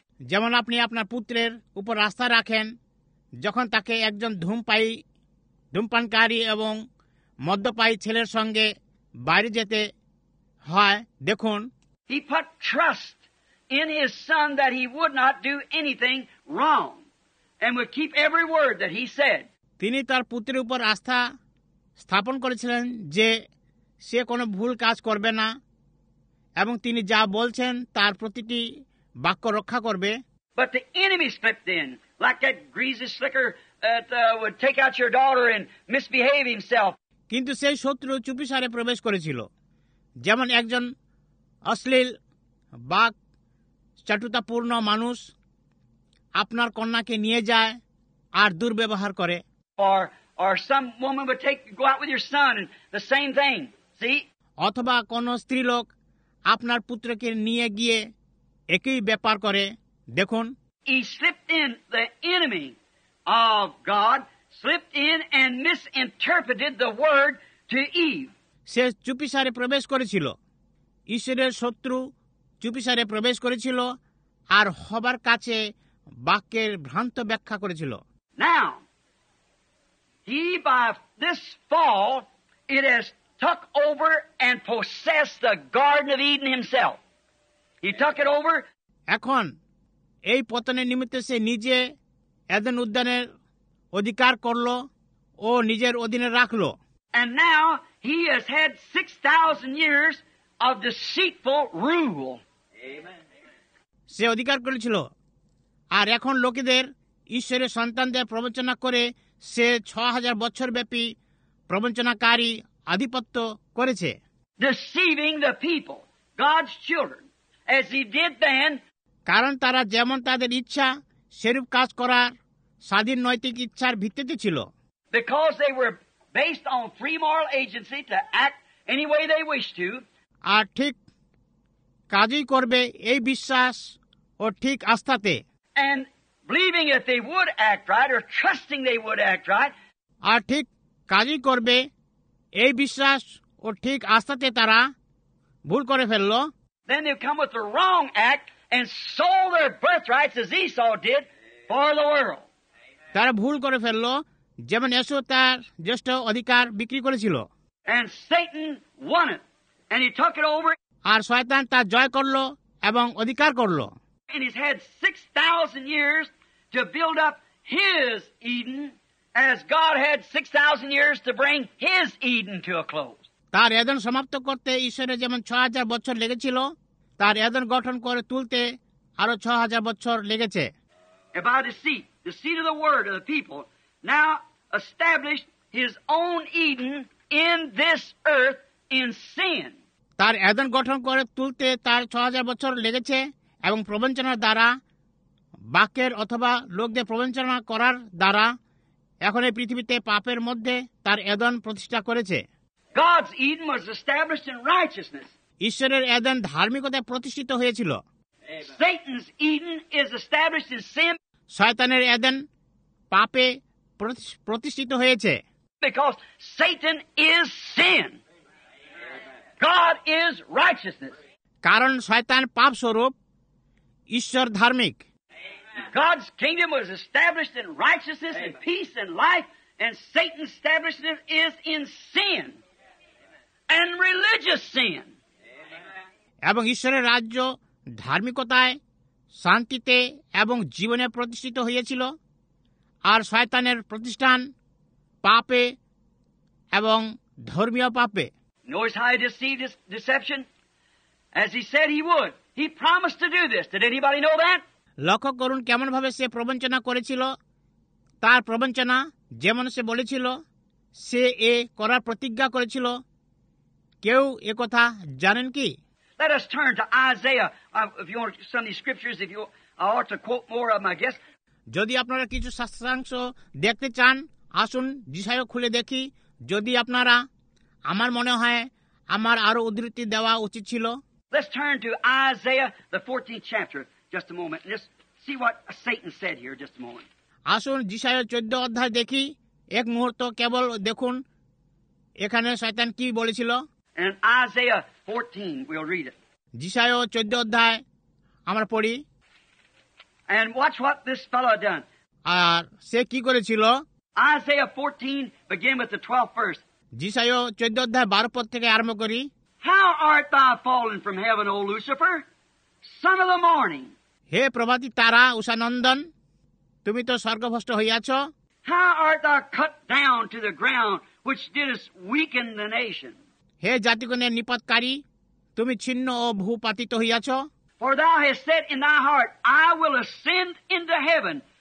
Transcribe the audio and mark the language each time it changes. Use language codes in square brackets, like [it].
[bn] যেমন আপনি আপনার পুত্রের উপর আস্থা রাখেন যখন তাকে একজন ধূমপানকারী এবং মদ্যপায়ী ছেলের সঙ্গে বাইরে যেতে হয়। দেখুন, [en] He put trust in his son that he would not do anything wrong and would keep every word that he said. [bn] তিনি তার পুত্রের উপর আস্থা স্থাপন করেছিলেন যে সে কোনো ভুল কাজ করবে না এবং তিনি যা বলছেন তার প্রতিটি বাক্য রক্ষা করবে। [en] But the enemy slipped in, like that greasy slicker would take out your daughter and misbehave himself. [bn] কিন্তু সেই শত্রু চুপিসারে প্রবেশ করেছিল, যেমন একজন অশ্লীল বাক চাটুতাপূর্ণ মানুষ আপনার কন্যাকে নিয়ে যায় আর দুর্ব্যবহার করে। [en] Or some woman would take go out with your son and the same thing. See? [bn] অথবা কোন স্ত্রী লোক আপনার পুত্রকে নিয়ে গিয়ে একই ব্যাপার করে। দেখুন, [en] He slipped in, the enemy of God slipped in and misinterpreted the word to Eve. [bn] সে চুপিসারে প্রবেশ করেছিল, ঈশ্বরের শত্রু চুপিসারে প্রবেশ করেছিল আর হবার কাছে বাক্যের ভ্রান্ত ব্যাখ্যা করেছিল। [en] Now, He, by this fall, it has took over and possessed the Garden of Eden himself. He took it over. [bn] এখন এই পতনের নিমিত্তে সে নিজে এদেন উদ্যানের অধিকার করল ও নিজের অধীনে রাখল। [en] And now he has had 6,000 years of deceitful rule. [bn] সে অধিকার করেছিল আর এখন লোকেদের ঈশ্বরের সন্তানদের প্রবঞ্চনা করে সে 6,000 বছর ব্যাপী প্রবঞ্চনাকারী আধিপত্য করেছে। [en] Deceiving the people, God's children, as he did then. [bn] কারণ তারা যেমন তাদের ইচ্ছা সেরূপ কাজ করার স্বাধীন নৈতিক ইচ্ছার ভিত্তিতে ছিল। [en] Because they were based on free moral agency to act any way they wish to. [bn] আর ঠিক কাজই করবে এই বিশ্বাস ও ঠিক আস্থাতে। [en] And believing that they would act right or trusting they would act right. [bn] আর ঠিক কাজই করবে এই বিশ্বাস ও ঠিক আস্থাতে তারা ভুল করে ফেলল. [en] Then they come with the wrong act and sold their birthrights as Esau did for the world. [bn] তারা ভুল করে ফেলল যেমন এসো তার জ্যেষ্ঠ অধিকার বিক্রি করেছিল. [en] And Satan won it and he took it over. [bn] আর শয়তান তা জয় করল এবং অধিকার করল. [en] And he's had 6,000 years to build up his Eden as God had 6,000 years to bring his Eden to a close. [bn] তার এডেন সমাপ্ত করতে ঈশ্বরের যেমন 6,000 বছর লেগেছিল তার এডেন গঠন করে তুলতে আরো 6,000 বছর লেগেছে. [en] About the seed of the word of the people now established his own Eden in this earth in sin. [bn] তার এডেন গঠন করে তুলতে তার 6,000 বছর লেগেছে এবং প্রবঞ্চনার দ্বারা বাক্যের অথবা লোকদের প্রবঞ্চনা করার দ্বারা এখন এই পৃথিবীতে পাপের মধ্যে তার এডেন প্রতিষ্ঠা করেছে. [en] God's Eden was established in righteousness. [bn] ঈশ্বরের এডেন ধার্মিকতায় প্রতিষ্ঠিত হয়েছিল. [en] Satan's Eden is established in sin. [bn] শয়তানের এডেন পাপে প্রতিষ্ঠিত হয়েছে. [en] Because Satan is sin. God is righteousness. [bn] কারণ শয়তান পাপ স্বরূপ ঈশ্বর ধার্মিক. [en] God's kingdom was established in righteousness and peace and life and Satan's establishment is in sin and religious sin. [bn] এবং ঈশ্বরের রাজ্য ধার্মিকতায় শান্তিতে এবং জীবনে প্রতিষ্ঠিত হয়েছিল আর শয়তানের প্রতিষ্ঠান পাপে এবং ধর্মীয় পাপে. [en] Notice how he deceived his deception as he said he would. He promised to do this. Did anybody know that? [bn] লক্ষ্য করুন কেমন ভাবে সে প্রবঞ্চনা করেছিল তার প্রবঞ্চনা যেমন সে বলেছিল সে এ করার প্রতিজ্ঞা করেছিল কেউ এ কথা জানেন কি? [en] Let us turn to Isaiah. If you want some of these scriptures, if you I ought to quote more of them, I guess. [bn] যদি আপনারা কিছু শাস্ত্রাংশ দেখতে চান আসুন যিশাইয় খুলে দেখি. যদি আপনারা আমার মনে হয় আমার আরো উদ্ধৃতি দেওয়া উচিত ছিল. [en] Let's turn to Isaiah, the 14th chapter, just a moment. Let's see what Satan said here, just a moment. [bn] আসুন যিশাইয় 14 অধ্যায় দেখি এক মুহূর্ত কেবল দেখুন এখানে শয়তান কি বলেছিল. [en] And Isaiah 14, we'll read it. [bn] যিশাইয় 14 অধ্যায় আমরা পড়ি. [en] And watch what this fellow had done. [bn] আর সে কি করেছিল? [en] Isaiah 14, begin with the 12th verse. [bn] যিশাইয় 14 অধ্যায় 12 পদ থেকে আরম্ভ করি. [en] How art thou fallen from heaven, O Lucifer, son of the morning? [bn] হে প্রভাতী তারা উষানন্দন তুমি তো স্বর্গভ্রষ্ট হইয়াছ. [en] How art thou cut down to the ground, which didst weaken the nation? [bn] হে জাতিগণের নিপাতকারী তুমি ছিন্ন ও ভূপাতিত হইয়াছ. [en] For thou hast said in thy heart, I will ascend into heaven.